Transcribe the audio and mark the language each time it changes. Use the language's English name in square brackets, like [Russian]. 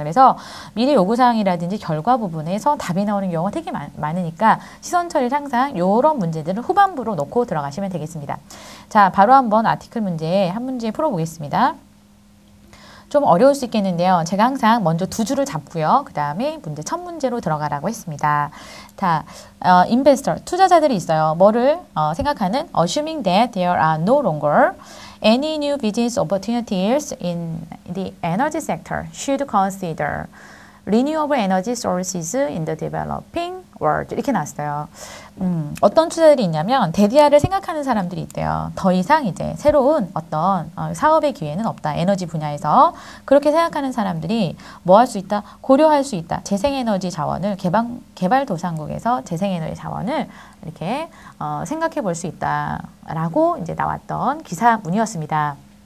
[Korean] 그래서 미래 요구사항이라든지 결과 부분에서 답이 나오는 경우가 되게 많으니까 시선 처리를 항상 이런 문제들을 후반부로 놓고 들어가시면 되겠습니다. 자, 바로 한번 아티클 문제 한 문제 풀어보겠습니다. 좀 어려울 수 있겠는데요. 제가 항상 먼저 두 줄을 잡고요. 그 다음에 문제 첫 문제로 들어가라고 했습니다. 자, investor, 투자자들이 있어요. 뭐를 생각하는? [English] Assuming that there are no longer any new business opportunities in the energy sector should consider renewable energy sources in the developing world. [Korean] 이렇게 나왔어요. 어떤 투자들이 있냐면, 데디아를 생각하는 사람들이 있대요. 더 이상 이제 새로운 어떤 사업의 기회는 없다. 에너지 분야에서. 그렇게 생각하는 사람들이 뭐할수 있다? 고려할 수 있다. 재생에너지 자원을 개발도상국에서 재생에너지 자원을 이렇게 생각해 볼수 있다라고 이제 나왔던 기사문이었습니다.